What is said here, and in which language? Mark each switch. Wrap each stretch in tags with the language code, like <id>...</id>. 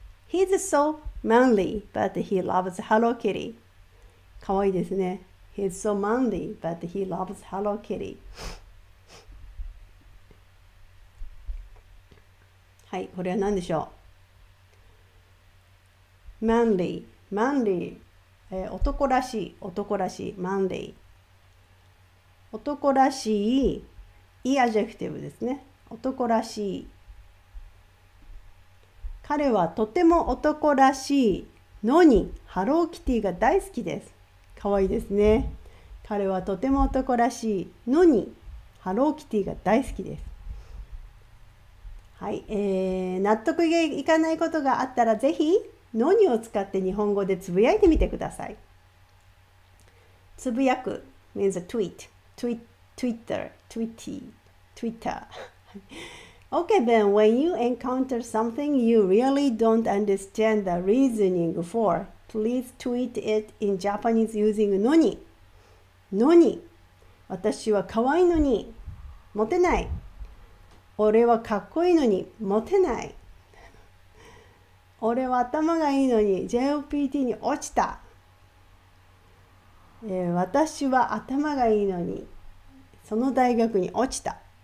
<en>He's so manly, but he loves Hello Kitty.</en> <ja>かわいいですね。</ja> <en>He's so manly, but he loves Hello Kitty.</en> <ja>はい、これは何でしょう。</ja> <en>Manly, manly、男らしい、男らしい、manly。</en> <ja>男らしい、いいアジェクティブですね。男らしい。彼はとても男らしいのに、ハローキティが大好きです。かわいいですね。彼はとても男らしいのに、ハローキティが大好きです。はい、納得がいかないことがあったら、ぜひ、のにを使って日本語でつぶやいてみてください。</ja> <en>つぶやく means a tweet, tweet, Twitter, tweety, Twitter. Okay, then when you encounter something you really don't understand the reasoning for, please tweet it in Japanese using のに。</en> <ja>のに。私は可愛いのに、モテない。俺はかっこいいのに、モテない。俺は頭がいいのに、JLPT に落ちた。私は頭がいいのに、その大学に落ちた。</ja>